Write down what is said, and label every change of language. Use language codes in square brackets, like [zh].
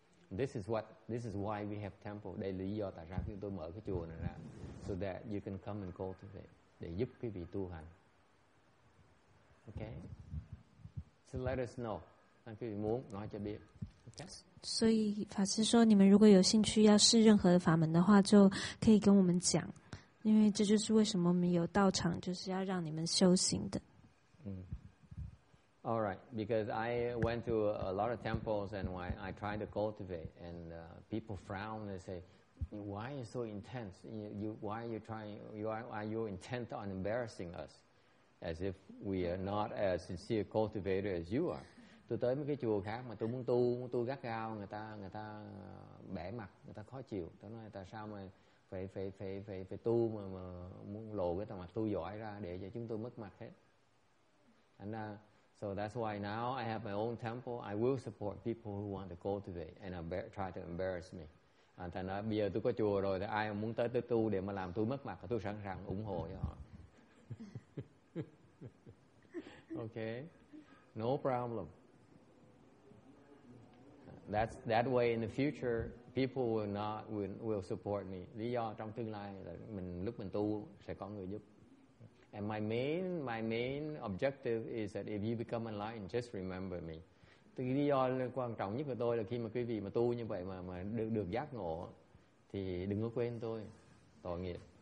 [en] This is why we have temple. [vi] Đây là lý do tại sao chúng tôi mở cái chùa này ra, [en] so that you can come and cultivate [vi] để giúp quý vị tu hành. [en] Okay? So let us know. [zh] 让自己摸，然后就别。所以法师说，你们如果有兴趣要试任何法门的话，就可以跟我们讲，因为这就是为什么我们有道场，就是要让你们修行的。 [en] All right, because I went to a lot of temples and I tried to cultivate, and people frown and say, "Why are you so intense? Why are you trying? Are you intent on embarrassing us, as if we are not as sincere cultivator as you are?" [vi] Tôi tới mấy cái chùa khác mà tôi muốn tu, tu gắt gao, người ta bẻ mặt, người ta khó chịu. Tôi nói, tại sao mà phải tu mà muốn lộ cái thằng mặt tu giỏi ra để cho chúng tôi mất mặt hết? [en] And so that's why now I have my own temple. I will support people who want to cultivate and try to embarrass me. [vi] And thành ra bây giờ tôi có chùa rồi, thì ai muốn tới tôi tu để mà làm tôi mất mặt, tôi sẵn sàng ủng hộ cho họ. [en] Okay, no problem. That's that way in the future, people will support me. [vi] Lý do trong tương lai là mình lúc mình tu sẽ có người giúp. [en] And my main objective is that if you become enlightened, just remember me. [vi] Cái lý do quan trọng nhất của tôi là khi mà quý vị mà tu như vậy mà được giác ngộ thì đừng có quên tôi, tội nghiệp.